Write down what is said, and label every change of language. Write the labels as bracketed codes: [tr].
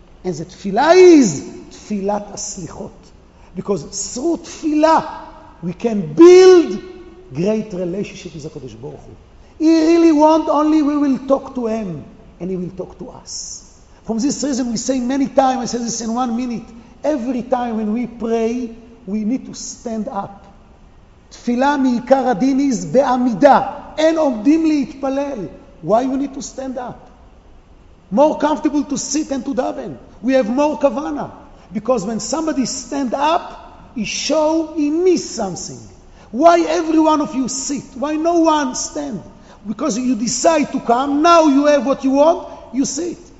[en] And the תפילה is תפילת הסליחות. Because through תפילה we can build great relationship with הקדוש ברוך הוא. He really want only we will talk to him and he will talk to us. From this reason we say many times, I say this in one minute, every time when we pray we need to stand up. [he] תפילה מעיקר הדין is בעמידה. אין עומדים להתפלל. [en] Why we need to stand up? More comfortable to sit and to daven. We have more kavana. Because when somebody stand up, he show he miss something. Why every one of you sit? Why no one stand? Because you decide to come, now you have what you want, you sit.